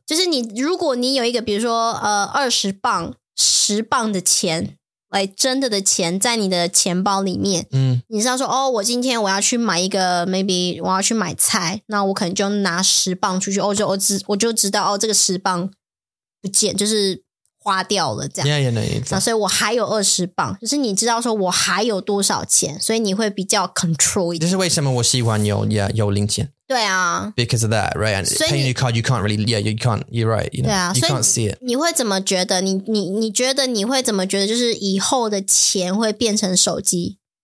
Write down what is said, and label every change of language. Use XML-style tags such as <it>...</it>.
<zh>就是你,如果你有一个比如说 20磅,10磅的钱, 真的的钱在你的钱包里面，你知道说哦，我今天我要去买一个 maybe 我要去买菜，那我可能就拿10磅出去，我就知道哦，这个10磅不见，就是花掉了这样。那所以我还有20磅，就是你知道说我还有多少钱，所以你会比较 control 一点。这是为什么我喜欢有零钱。对啊，</zh> <en>because of that, right? And paying your card, you can't really, yeah, you can't, you're right, you know, you can't see it.</en> <zh>你会怎么觉得, 你觉得你会怎么觉得, 就是以后的钱会变成手机?</zh>